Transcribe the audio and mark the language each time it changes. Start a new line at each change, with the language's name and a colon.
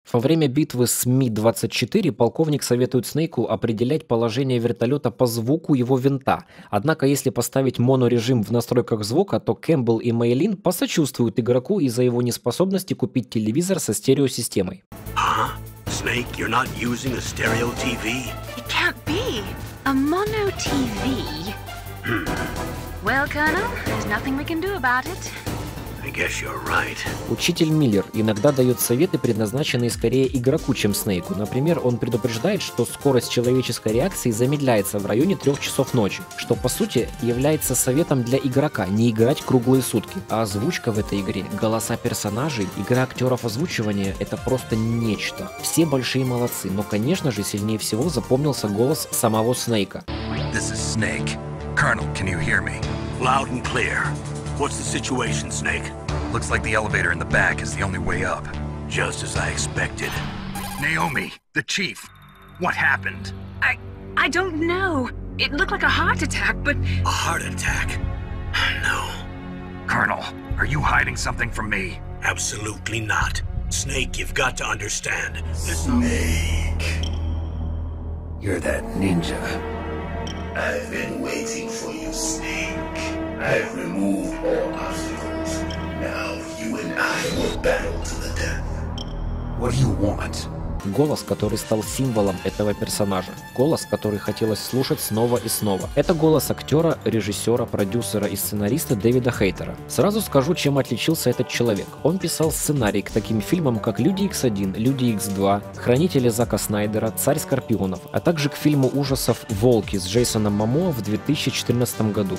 Russian: Во время битвы с Ми-24 полковник советует Снейку определять положение вертолета по звуку его винта. Однако, если поставить монорежим в настройках звука, то Кэмпбелл и Мэйлин посочувствуют игроку из-за его неспособности купить телевизор со стереосистемой.
English: Snake, you're not using a stereo TV? It can't be. A mono TV? Well, Colonel, there's nothing we can do about it. I guess you're right.
Russian: Учитель Миллер иногда дает советы, предназначенные скорее игроку, чем Снейку. Например, он предупреждает, что скорость человеческой реакции замедляется в районе 3 часов ночи, что по сути является советом для игрока не играть круглые сутки. А озвучка в этой игре, голоса персонажей, игра актеров озвучивания – это просто нечто. Все большие молодцы, но конечно же сильнее всего запомнился голос самого Снейка.
English: This is Snake. Colonel, can you hear me? Loud and clear. What's the situation, Snake? Looks like the elevator in the back is the only way up. Just as I expected. Naomi, the chief. What happened? I don't know. It looked like a heart attack, but... A heart attack? No. Colonel, are you hiding something from me? Absolutely not. Snake, you've got to understand. Snake. You're that ninja. I've been waiting for you, Snake. I've removed all obstacles. Now you and I will battle to the death. What do you want?
Russian: Голос, который стал символом этого персонажа. Голос, который хотелось слушать снова и снова. Это голос актера, режиссера, продюсера и сценариста Дэвида Хейтера. Сразу скажу, чем отличился этот человек. Он писал сценарий к таким фильмам, как «Люди X1», «Люди X2», «Хранители Зака Снайдера», «Царь Скорпионов», а также к фильму ужасов «Волки» с Джейсоном Момоа в 2014 году.